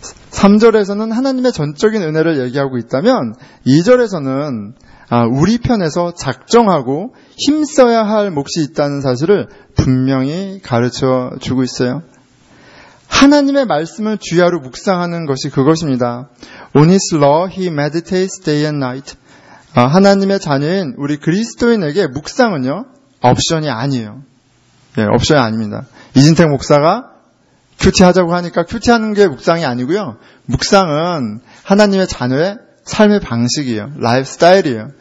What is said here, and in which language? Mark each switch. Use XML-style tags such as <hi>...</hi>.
<ko>3절에서는 하나님의 전적인 은혜를 얘기하고 있다면 2절에서는 우리 편에서 작정하고 힘써야 할 몫이 있다는 사실을 분명히 가르쳐 주고 있어요. 하나님의 말씀을 주야로 묵상하는 것이 그것입니다.</ko> <en>On His law he meditates day and night.</en> <ko>하나님의 자녀인 우리 그리스도인에게 묵상은요 옵션이 아니에요. 예, 옵션이 아닙니다. 이진택 목사가 큐티하자고 하니까 큐티하는 게 묵상이 아니고요. 묵상은 하나님의 자녀의 삶의 방식이에요. 라이프 스타일이에요.</ko>